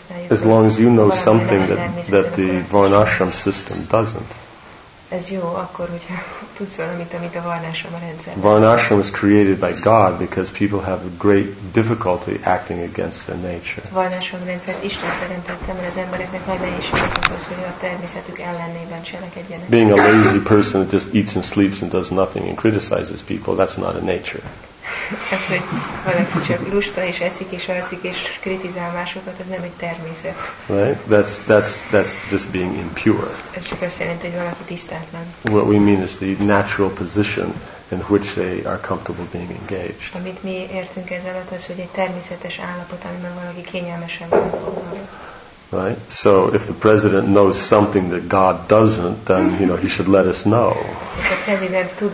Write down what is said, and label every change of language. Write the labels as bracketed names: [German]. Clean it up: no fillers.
[English] As long as you know something that the Varnashram system doesn't. [Hungarian] Ez jó, akkor, hogyha tudsz valamit, amit a Varnashram a rendszerben. [English] Varnashram was created by God because people have a great difficulty acting against their nature. [Hungarian] Varnashram rendszert Isten teremtette, mert az embereknek nagy nehézségük ahhoz, hogy a természetük ellenében cselekedjenek. [English] Being a lazy person that just eats and sleeps and does nothing and criticizes people, that's not a nature. [Hungarian] Ez, hogy valaki csak lusta és eszik és alszik és kritizál másokat, ez nem egy természet. [English] Right? That's just being impure. [Hungarian] Ez csak azt jelenti, hogy valaki tisztátlan. [English] What we mean is the natural position in which they are comfortable being engaged. [Hungarian] Amit mi értünk ez alatt, az, hogy egy természetes állapot, amiben valaki kényelmesen van. [English] Right? So if the president knows something that God doesn't, then you know he should let us know. Right?